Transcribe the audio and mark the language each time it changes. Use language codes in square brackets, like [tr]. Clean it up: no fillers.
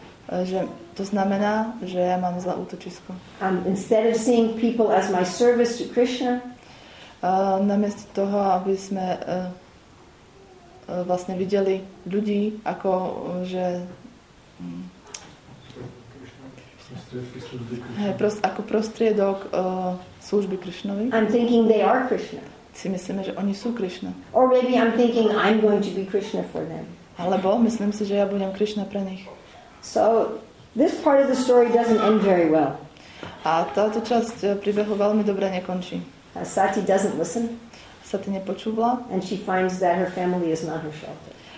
[sk] Že to znamená, že ja mám zlé útočisko. [en] Instead of seeing people as my service to Krishna, [sk] namiesto toho, aby sme vlastne videli ľudí ako že ako prostriedok služby Krishnovi. [en] I'm thinking they are Krishna. [sk] Si myslíme, že oni sú Krishna. [en] Or maybe I'm thinking I'm going to be Krishna for them. [sk] Alebo myslím si, že ja budem Krishna pre nich. [en] So this part of the story doesn't end very well. [sk] A táto časť príbehu veľmi dobre nekončí. [en] Sati doesn't listen. [sk] Sati nepočúvala. [en] And she finds that her family is not her shelter.